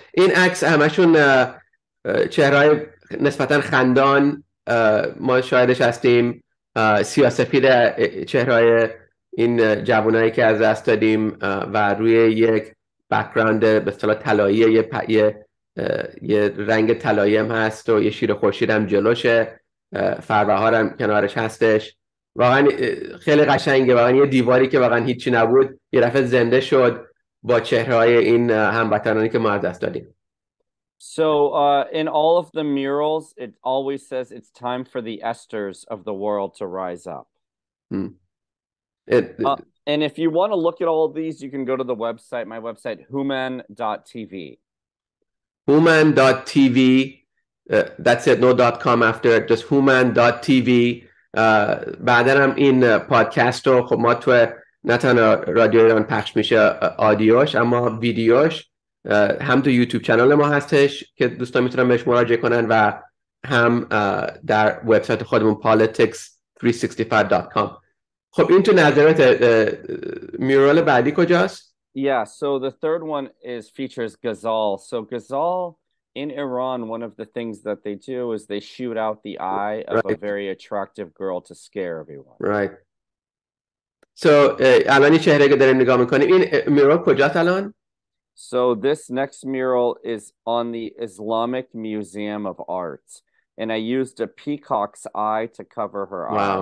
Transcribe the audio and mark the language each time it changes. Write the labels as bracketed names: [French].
[Persian] این عکس همشون چهرهای نسبتاً خندان ما شاهدش هستیم، سیاه‌سفید چهرهای این جوانایی که از دست دادیم و روی یک بک‌گراند به اصطلاح طلایی یه رنگ طلایی هم هست و یه شیر خورشید هم جلوشه، فربهار هم کنارش هستش. واقعا خیلی قشنگه. واقعا یه دیواری که واقعا هیچی نبود یه دفعه زنده شد با چهرهای این هموطنانی که ما از دست دادیم. [English] So in all of the murals, it always says it's time for the Esthers of the world to rise up. And if you want to look at all of these, you can go to the website, my website, Hooman.tv. Hooman.tv. That's it. No.com after it. Just Hooman.tv. [Persian] بعدن هم این پادکست رو خب ما تو نه تنها رادیو ایران پخش میشه آدیوش اما ویدیوش هم تو یوتیوب کانال ما هستش که دوستان میتونن بهش مراجعه کنن و هم در وبسایت خودمون politics365.com. خب این تو نظرت مورال بعدی کجاست؟ [English] Yeah, so the third one is features Ghazal. So Ghazal in Iran, one of the things that they do is they shoot out the eye of right. a very attractive girl to scare everyone. Right. [Persian] So الان چهره که داریم نگاه میکنیم این مورال کجاست الان؟ [English] So this next mural is on the Islamic Museum of Art, and I used a peacock's eye to cover her wow.